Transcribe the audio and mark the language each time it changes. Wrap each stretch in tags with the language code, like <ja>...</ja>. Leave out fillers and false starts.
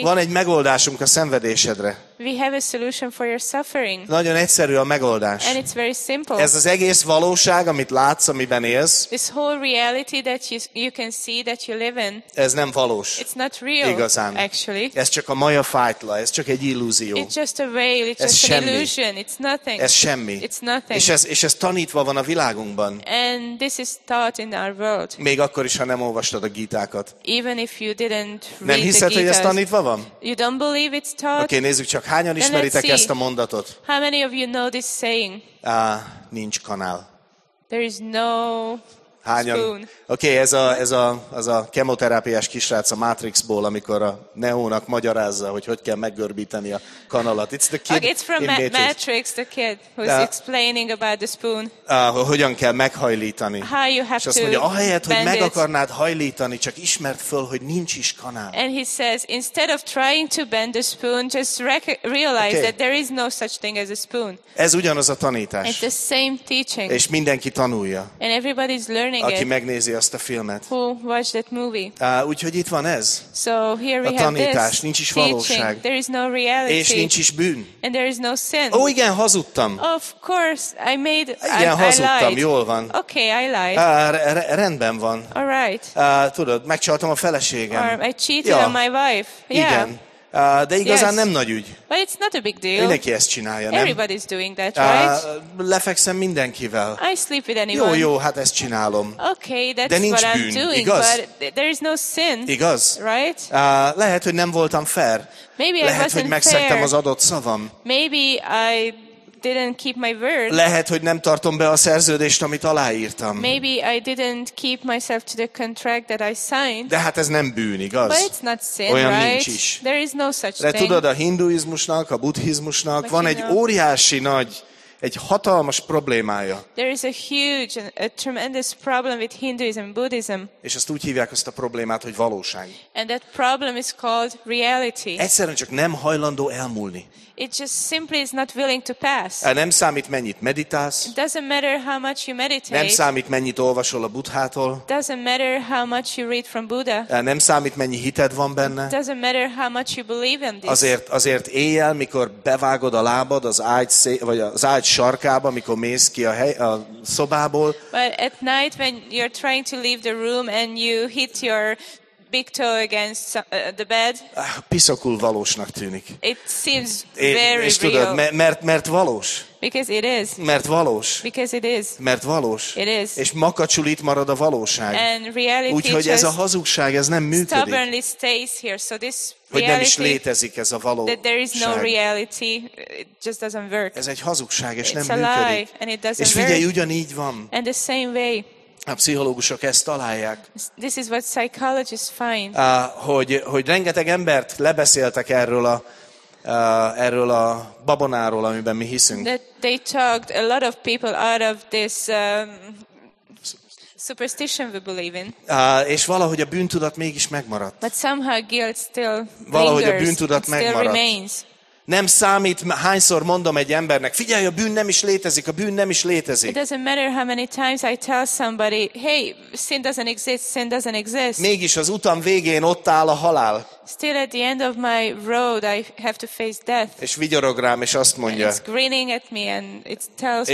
<hu>van egy megoldásunk a szenvedésedre.</hu> <en>We have a solution for your suffering.</en> <hu>Nagyon egyszerű a megoldás.</hu> <en>And it's very simple.</en> <hu>Ez az egész valóság, amit látsz, amiben élsz.</hu> <en>This whole reality that you can see that you live in.</en> <hu>Ez nem valós.</hu> <en>It's not real.</en> <hu>Igazán.</hu> <en>Actually.</en> <hu>Ez csak a maja fájtla, ez csak egy illúzió.</hu> <en>It's just a veil, it's</en> <hu>ez</hu> <en>just</en> <hu>semmi.</hu> <en>An illusion. It's nothing.</en> <hu>Ez semmi.</hu> <en>It's nothing.</en> <hu>És ez tanítva van a világunkban.</hu> <en>And this is taught in our world.</en> <hu>Még akkor is, ha nem olvastad a Gítákat.</hu> <en>Even if you didn't read</en> <hu>nem hiszed,</hu> <en>the Gitas,</en> <hu>hogy ez tanítva van?</hu> <en>You don't believe it's taught.</en> <hu>Okay, nézzük csak. Hányan ismeritek ezt a mondatot?</hu> <en>How many of you know this saying?</en> <hu>Nincs kanál.</hu> <en>There is no.</en> <hu>Hányan? Oké, okay, ez a kemoterápiás kisrác a Matrixból, amikor a Neónak magyarázza, hogy hogyan kell meggörbíteni a kanalat.</hu> <en>It's the kid. Okay, it's from Matrix, the kid who's explaining about the spoon.</en> <hu>Hogyan kell meghajlítani.</hu> <en>How you have to.</en> <hu>És azt mondja, ahelyett, hogy meg akarnád hajlítani, csak ismerd föl, hogy nincs is kanál.</hu> <en>And he says, instead of trying to bend the spoon, just realize okay. that there is no such thing as a spoon.</en> <hu>Ez ugyanaz a tanítás.</hu> <en>It's the same teaching.</en> <hu>És mindenki tanulja.</hu> <en>And everybody's learning</en> <hu>aki megnézi azt a filmet.</hu> <en>Who watched that movie?</en> <hu>Úgyhogy itt van ez.</hu> <en>So here we</en> <hu>a tanítás,</hu> <en>this</en> <hu>nincs is valóság.</hu> <en>There is no reality.</en> <hu>És nincs is bűn.</hu> <en>And there is no sin.</en> <hu>Ó, igen, hazudtam.</hu> <en>Of course, I made.</en> <hu>Igen, hazudtam,</hu> <en>I lied.</en> <hu>Jól van.</hu> <en>Okay, I lied.</en> <hu>Rendben van.</hu> <en>All right.</en> <hu>Tudod, megcsaltam a feleségem.</hu> <en>Or I cheated on my wife. Yeah.</en> <hu>Igen. De igazán</hu> <en>yes.</en> <hu>nem nagy ügy.</hu> <en>But it's not a big deal.</en> <hu>Mindenki ezt csinálja, nem?</hu> <en>Everybody's doing that, right?</en> <hu>Lefekszem mindenkivel.</hu> <en>I sleep with anyone.</en> <hu>Jó, hát ezt csinálom.</hu> <en>Okay, that's</en> <hu>de nincs</hu> <en>what</en> <hu>bűn,</hu> <en>I'm doing,</en> <hu>igaz?</hu> <en>But there is no sin.</en> <hu>Igaz?</hu> <en>Right?</en> <hu>Lehet, hogy nem voltam fair.</hu> <en>Maybe</en> <hu>lehet,</hu> <en>I wasn't</en> <hu>hogy megszegtem</hu> <en>fair.</en> <hu>Az adott szavam.</hu> <en>Maybe I didn't keep my word.</en> <hu>Lehet, hogy nem tartom be a szerződést, amit aláírtam.</hu> <en>Maybe I didn't keep myself to the contract that I signed.</en> <hu>De hát ez nem bűn, igaz?</hu> <en>But it's not sin,</en> <hu>olyan</hu> <en>right?</en> <hu>nincs is.</hu> <en>There is no such</en> <hu>de</hu> <en>thing.</en> <hu>Tudod, a hinduizmusnak, a buddhizmusnak van egy</hu> <en>know,</en> <hu>óriási nagy, egy hatalmas problémája.</hu> <en>There is a huge, a tremendous problem with Hinduism and Buddhism.</en> <hu>És azt úgy hívják azt a problémát, hogy valóság.</hu> <en>And that problem is called reality.</en> <hu>Egyszerűen csak nem hajlandó elmúlni.</hu> <en>It just simply is not willing to pass.</en> <hu>Nem számít, mennyit meditálsz.</hu> <en>It doesn't matter how much you meditate.</en> <hu>Nem számít, mennyit olvasol a Buddhától.</hu> <en>It doesn't matter how much you read from Buddha.</en> <hu>Nem számít, mennyi hited van benne.</hu> <en>It doesn't matter how much you believe in this.</en> <hu>Azért éjjel, mikor bevágod a lábad az ágy vagy az ágy sarkába, mikor mész ki a szobából.</hu> <en>But at night when you're trying to leave the room and you hit your big toe against the bed.</en> <hu>Piszokul valósnak tűnik.</hu> <en>It seems very</en> <hu>és tudod,</hu> <en>real.</en> <hu>Mert valós.</hu> <en>Because it is.</en> <hu>Mert valós.</hu> <en>Because it is.</en> <hu>Mert valós.</hu> <en>It is.</en> <hu>És makacsul itt marad a valóság.</hu> <en>And reality</en> <hu>úgyhogy ez a hazugság, ez nem működik.</hu> <en>Stubbornly stays here. So this reality,</en> <hu>hogy nem is létezik ez a valóság.</hu> <en>That there is no reality, it just doesn't work.</en> <hu>Ez egy hazugság, és</hu> <en>it's</en> <hu>nem</hu> <en>a</en> <hu>működik.</hu> <en>Lie, and it doesn't</en> <hu>és figyelj,</hu> <en>work.</en> <hu>Ugyanígy van.</hu> <en>And the same way.</en> <hu>A pszichológusok ezt találják.</hu> <en>This is what psychologists find.</en> <hu>Hogy rengeteg embert lebeszéltek erről a babonáról, amiben mi hiszünk.</hu> <en>That they talked a lot of people out of this superstition we believe in.</en> <hu>És valahogy a bűntudat mégis megmaradt.</hu> <en>But somehow guilt still lingers.</en> <hu>Valahogy a bűntudat megmaradt.</hu> <en>Still remains.</en> <hu>Nem számít, hányszor mondom egy embernek, figyelj, a bűn nem is létezik, a bűn nem is létezik.</hu> <en>It doesn't matter how many times I tell somebody, hey, sin doesn't exist, sin doesn't exist.</en> <hu>Mégis az utam végén ott áll a halál.</hu> <en>Still at the end of my road I have to face death.</en> <hu>És vigyorog rám, és azt mondja.</hu> <en>And it's grinning at me and it tells me.</en>